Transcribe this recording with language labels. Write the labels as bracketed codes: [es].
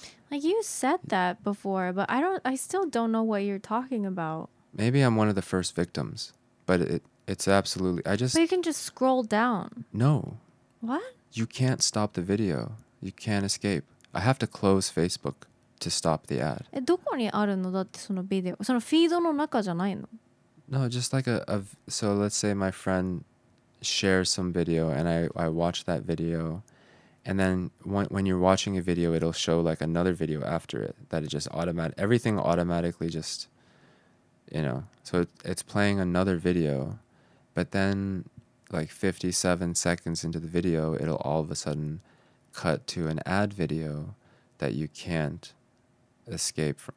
[en] Like you said that before, but I still don't know what you're talking about. Maybe I'm one of the first victims, but it's absolutely, I just... But you can just scroll down. No. What? You can't stop the video. You can't escape. I have to close Facebook to stop the ad. [ja] どこにあるのだってそのビデオ、そのフィードの中じゃないの? [en] No, just like so let's say my friend shares some video and I watch that video. And then when you're watching a video, it'll show like another video after it that it just everything automatically just, you know. So it's playing another video, but then... like 57 seconds into the video, it'll all of a sudden cut to an ad video that you can't escape from.